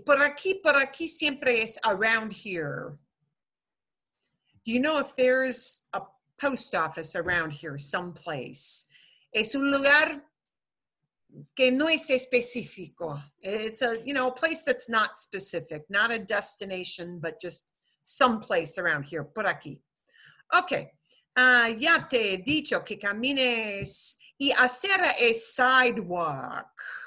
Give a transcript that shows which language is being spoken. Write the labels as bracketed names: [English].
[Spanish] Por aquí, por aquí siempre es around here. [English] Do you know if there's a post office around here someplace? [Spanish] Es un lugar que no es específico. [English] It's a, you know, a place that's not specific. Not a destination, but just someplace around here. [Spanish] Por aquí. Okay. Ya te he dicho que camines y hacer a sidewalk.